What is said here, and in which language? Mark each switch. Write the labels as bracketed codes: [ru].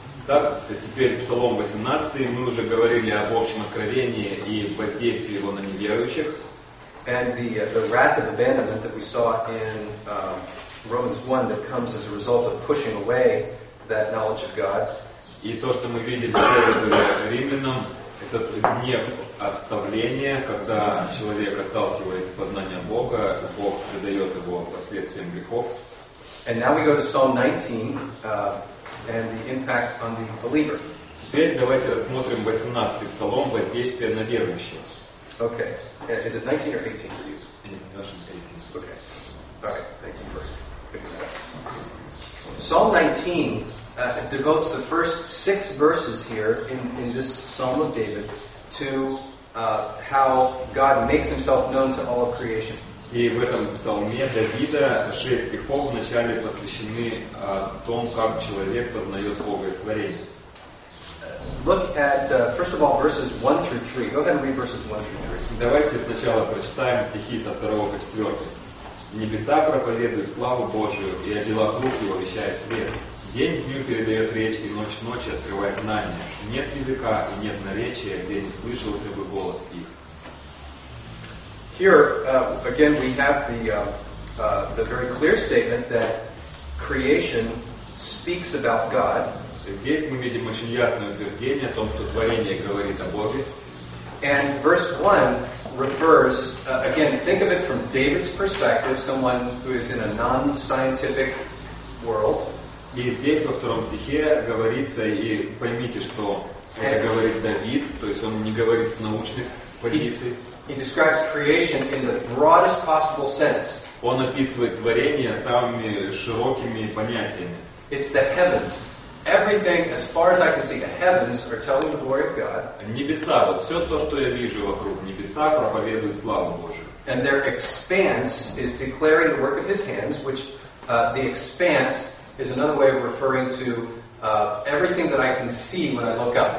[ru] Так, теперь Псалом 18, мы уже говорили об общем откровении и воздействии его на неверующих. [en] And the wrath of abandonment that we saw in Romans 1 that comes as a result of pushing away that knowledge of God. [ru] И то, что мы видели в Первой Римлянам, этот гнев оставления, когда человек отталкивает познание Бога, Бог предает его последствиям грехов. [en] And now we go to Psalm 19, and the impact on the believer. [ru] Теперь давайте рассмотрим 18-й Псалом, воздействие на верующих. [en] Okay. Is it 19 or 18 for you? 18. Okay. Alright, thank you for picking that. Psalm 19 devotes the first six verses here in this Psalm of David to how God makes himself known to all of creation. [ru] И в этом псалме Давида шесть стихов вначале посвящены тому, как человек познает Бога из творения. [en] Look at first of all verses 1 through 3. Go ahead and read verses 1 through 3. [ru] Давайте сначала прочитаем стихи со 2 по 4. Небеса проповедуют славу Божию, и о делах рук его вещает свет. День дню передает речь, и ночь ночи открывает знания. Нет языка и нет наречия, где не слышался бы голос их. [en] Here again we have the very clear statement that creation speaks about God. [ru] Здесь мы видим очень ясное утверждение о том, что творение говорит о Боге. [en] And verse 1 refers again, think of it from David's perspective, someone who is in a non-scientific world. [ru] И здесь во втором стихе говорится, и поймите, что это говорит Давид, то есть он не говорит с научных позиций. [en] He describes creation in the broadest possible sense. [ru] Он описывает творение самыми широкими понятиями. [en] It's the heavens. Everything, as far as I can see, the heavens are telling the glory of God. [ru] Небеса, вот все то, что я вижу вокруг небеса, проповедует славу Божию. [en] And their expanse is declaring the work of His hands, which the expanse is another way of referring to everything that I can see when I look up.